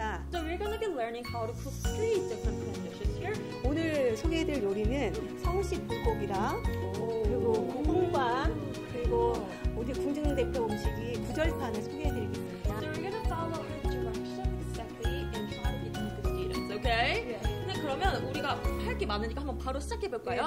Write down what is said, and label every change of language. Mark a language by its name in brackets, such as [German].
[English] So we're going to be learning how to cook three different kinds of dishes. [Korean] 오늘 소개해드릴 요리는 서울식 불고기랑 그리고 고공반 그리고 우리 궁중대표 음식이 구절판을 소개해드리겠습니다. [English] So we're gonna follow her directions exactly and try to get to the students, okay? Yeah. [Korean] 네, 그러면 우리가 할 게 많으니까 한번 바로 시작해볼까요?